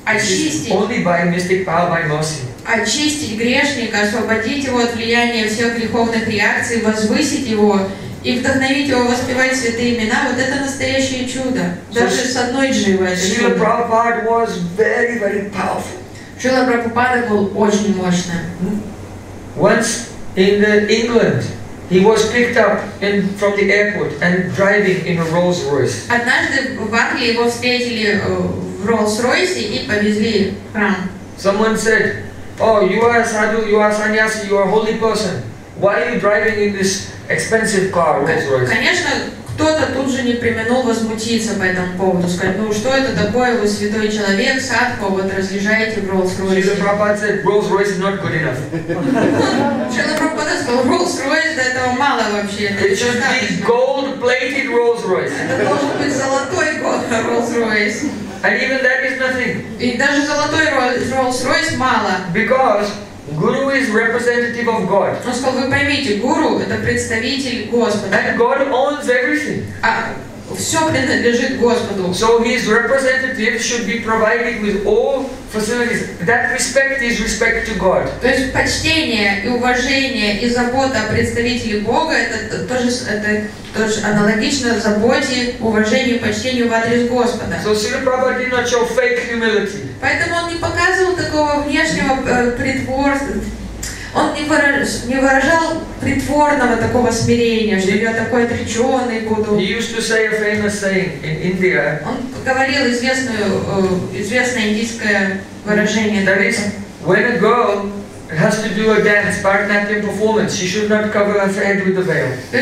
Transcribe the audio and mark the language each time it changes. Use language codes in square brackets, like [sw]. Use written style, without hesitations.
[ru] Очистить. [en] Only by mystic power, by mercy. [ru] Очистить грешника, освободить его от влияния всех греховных реакций, возвысить его и вдохновить его воспевать святые имена, вот это настоящее чудо. Даже с одной дживой это чудо. [en] Шрила Прабхупада was very, very powerful. [ru] Шрила Прабхупада был очень мощным. [en] Once in the England, he was picked up in, from the airport and driving in a Rolls-Royce. [ru] Однажды в Англии его встретили в Rolls-Royce и повезли в храм. [en] Someone said, oh, you are a sadhu, you are a sannyasi, you are a holy person. Why are you driving in this expensive car, Rolls-Royce? [ru] Конечно, кто-то тут же не преминул возмутиться по этому поводу, сказать, ну что это такое, вы святой человек, садху, вот разъезжаете в Rolls-Royce. [en] Шрила Прабхупада said, Rolls-Royce is not good enough. [ru] Шрила Прабхупада сказал, Rolls-Royce, до этого мало вообще. [en] It should be gold-plated Rolls-Royce. [ru] Это должен быть золотой Rolls-Royce. [en] And even that is nothing. [ru] И даже золотой Rolls-Royce мало. [en] Because Guru is representative of God. [ru] Он сказал, вы поймите, гуру это представитель Господа. [en] And God owns everything. [ru] А все принадлежит Господу. [en] So his representative should be provided with all facilities. That respect is respect to God. [ru] То есть почтение и уважение и забота о представителе Бога это тоже аналогично заботе, уважению, почтению в адрес Господа. [en] So Srila Prabhupada did not show fake humility. [ru] Поэтому он не показывал такого внешнего притворства. Он не выражал притворного такого смирения, что я такой отреченный буду. [en] He used to say a famous saying in India. [ru] Он говорил известное индийское выражение. [en] That is, when a girl has to do a dance, Bharatanatyam performance. She should not cover her head with a veil.